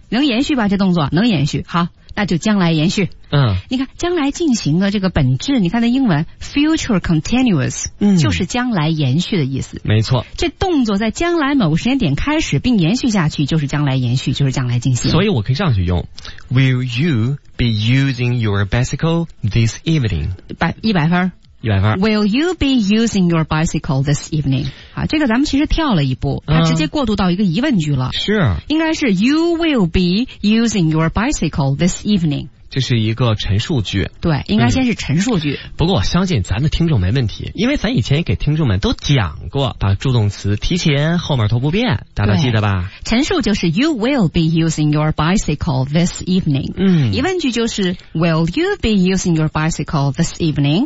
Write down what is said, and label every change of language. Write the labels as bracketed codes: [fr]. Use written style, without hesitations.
[zh] 能延续吧，这动作能延续。好，那就将来延续。嗯，你看将来进行的这个本质，你看那英文 future continuous，嗯，就是将来延续的意思。没错，这动作在将来某个时间点开始并延续下去，就是将来延续，就是将来进行。所以我可以这样去用 [en] ，Will you be using your bicycle this evening？ 100分。Will you be using your bicycle this evening？ [zh] 啊，这个咱们其实跳了一步，它直接过渡到一个疑问句了。是，应该是 [en] You will be using your bicycle this evening。 [zh] 这是一个陈述句。对，应该先是陈述句。嗯，不过我相信咱的听众没问题，因为咱以前也给听众们都讲过，把助动词提前后面都不变，大家记得吧？陈述就是 [en] You will be using your bicycle this evening。 [zh] 嗯，疑问句就是 [en] Will you be using your bicycle this evening？